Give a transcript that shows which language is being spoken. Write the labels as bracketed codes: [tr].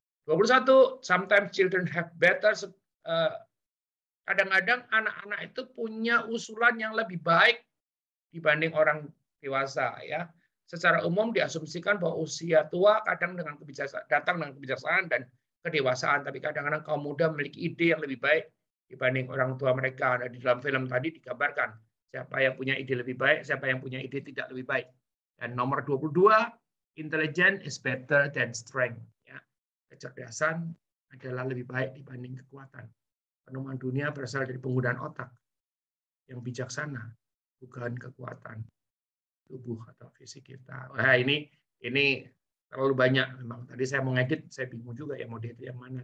[id] 21, [en] sometimes children have better. [id] Kadang-kadang anak-anak itu punya usulan yang lebih baik dibanding orang dewasa, ya. Secara umum diasumsikan bahwa usia tua kadang dengan kebijaksanaan datang dengan kebijaksanaan dan kedewasaan, tapi kadang-kadang kaum muda memiliki ide yang lebih baik dibanding orang tua mereka. Nah, di dalam film tadi digambarkan siapa yang punya ide lebih baik, siapa yang punya ide tidak lebih baik. Dan nomor [en] 22, intelligence is better than strength, ya. [id] Kecerdasan adalah lebih baik dibanding kekuatan. Penemuan dunia berasal dari penggunaan otak yang bijaksana, bukan kekuatan tubuh atau fisik kita. Wah, ini terlalu banyak memang. Tadi saya mau ngedit, saya bingung juga ya mau diedit yang mana.